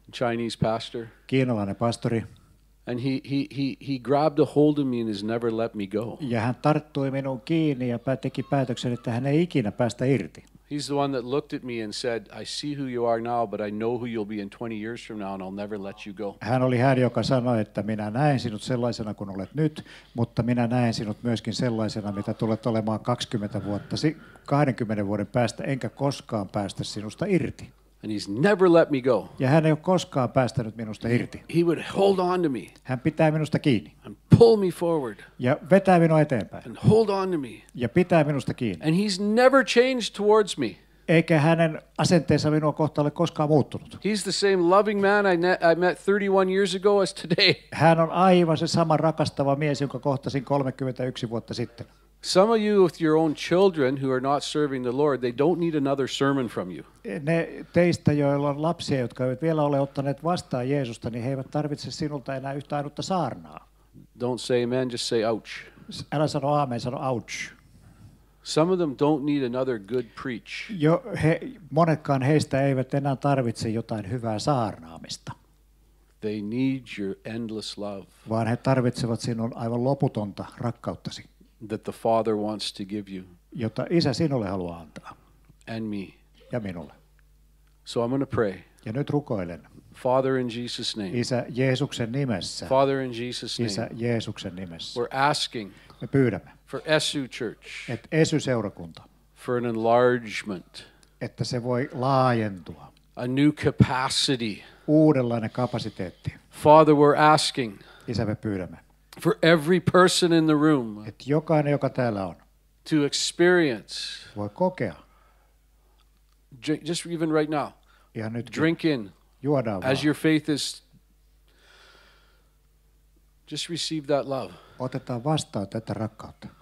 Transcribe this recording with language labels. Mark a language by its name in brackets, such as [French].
[English] Chinese pastor. [Finnish] Kiinalainen pastori. [English] And he grabbed a hold of me and has never let me go. [Finnish] Ja hän tarttui minuun kiinni ja teki päätöksen, että hän ei ikinä päästä irti. [English] He's the one that looked at me and said, I see who you are now, but I know who you'll be in 20 years from now and I'll never let you go. [Finnish] Hän oli hän, joka sanoi, että minä näen sinut sellaisena kuin olet nyt, mutta minä näen sinut myöskin sellaisena, mitä tulet olemaan 20 vuoden päästä, enkä koskaan päästä sinusta irti. [English] And he's never let me go. [Finnish] Ja hän ei ole koskaan päästänyt minusta irti. [English] He would hold on to me. [Finnish] Hän pitää minusta kiinni. [English] And pull me forward. [Finnish] Ja vetää minua eteenpäin. [English] And hold on to me. [Finnish] Ja pitää minusta kiinni. [English] And he's never changed towards me. [Finnish] Eikä hänen asenteensa minua kohtaan ole koskaan muuttunut. [English] He's the same loving man I met 31 years ago as today. [Finnish] Hän on aivan se sama rakastava mies, jonka kohtasin 31 vuotta sitten. [English] Some of you with your own children who are not serving the Lord, they don't need another sermon from you. [Finnish] Ne teistä, joilla on lapsia, jotka eivät vielä ole ottaneet vastaan Jeesusta, niin he eivät tarvitse sinulta enää yhtä ainutta saarnaa. [English] Don't say amen, just say ouch. [Finnish] Älä sano aamen, sano ouch. [English] Some of them don't need another good preach. [Finnish] Monetkaan heistä eivät enää tarvitse jotain hyvää saarnaamista. [English] They need your endless love. [Finnish] Vaan he tarvitsevat sinun aivan loputonta rakkauttasi. [English] That the Father wants to give you. [Finnish] Jota Isä sinulle haluaa antaa. [English] And me. [Finnish] Ja minulle. [English] So I'm going to pray. [Finnish] Ja nyt rukoilen. [English] Father in Jesus' name. [Finnish] Isä Jeesuksen nimessä. [English] Father in Jesus' name. [Finnish] Isä Jeesuksen nimessä. [English] We're asking. [Finnish] Me pyydämme. [English] For Esu Church. [Finnish] Et Esu seurakunta. [English] For an enlargement. [Finnish] Että se voi laajentua. [English] A new capacity. [Finnish] Uudenlainen kapasiteetti. [English] Father, we're asking. [Finnish] Isä, me pyydämme. [English] For every person in the room. [Finnish] Et jokainen, joka täällä on. [English] To experience. [Finnish] Voi kokea. [English] Just even right now. [Finnish] Ihan nyt. [English] Drink in. [Finnish] Juodaan vaan. [English] As your faith is. Just receive that love. [Finnish] Otetaan vastaan tätä rakkautta.